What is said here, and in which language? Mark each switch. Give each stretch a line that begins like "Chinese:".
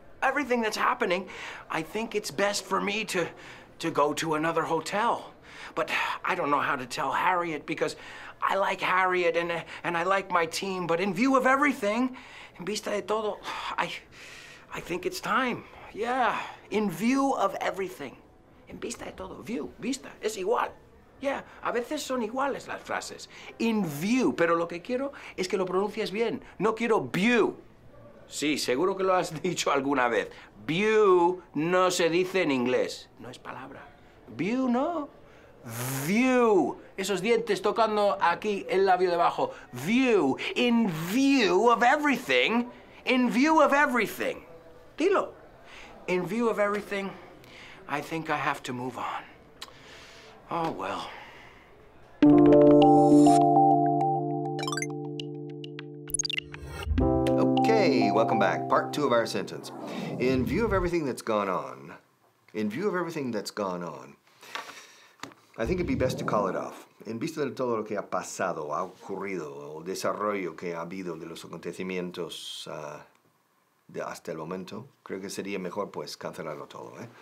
English: Everything that's happening, I think it's best for me to go to another hotel. But I don't know how to tell Harriet because I like Harriet and I like my team. But in view of everything,
Spanish: en vista de todo,
English: I think it's time. Yeah, in view of everything.
Spanish: En vista de todo, view, vista, es igual. Yeah, a veces son iguales las frases.
English: In view,
Spanish: pero lo que quiero es que lo pronuncies bien. No quiero view. Sí, seguro que lo has dicho alguna vez. View no se dice en inglés. No es palabra. View, no. View. Esos dientes tocando aquí el labio debajo. View.
English: In view of everything. In view of everything.
Spanish: Dilo.
English: In view of everything, I think I have to move on. Oh, well. Welcome back. Part two of our sentence. In view of everything that's gone on, in view of everything that's gone on, I think it'd be best to call it off.
Spanish: En vista de todo lo que ha pasado, ha ocurrido, el desarrollo que ha habido de los acontecimientos de hasta el momento, creo que sería mejor pues cancelarlo todo, ¿eh?